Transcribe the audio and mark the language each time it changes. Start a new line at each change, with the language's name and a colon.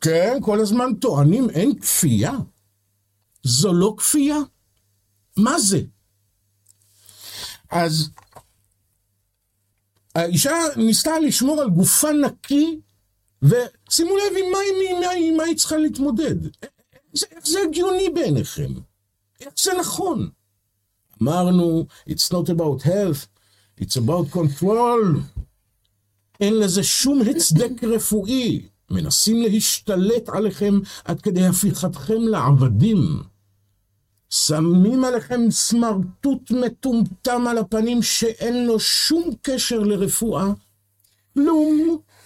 Hebrew: כן, כל הזמן טוענים, אין כפייה. זו לא כפייה. מה זה? אז האישה ניסתה לשמור על גופה נקי, ושימו לב עם מה, מה, מה, מה היא צריכה להתמודד. איך זה הגיוני בעיניכם? איך זה נכון? אמרנו,
English: it's not about health, it's about control.
Hebrew: אין לזה שום הצדק רפואי. מנסים להשתלט עליכם עד כדי הפיכתכם לעבדים. שמים עליכם סמרטוט מטומטם על הפנים שאין לו שום קשר לרפואה. לום.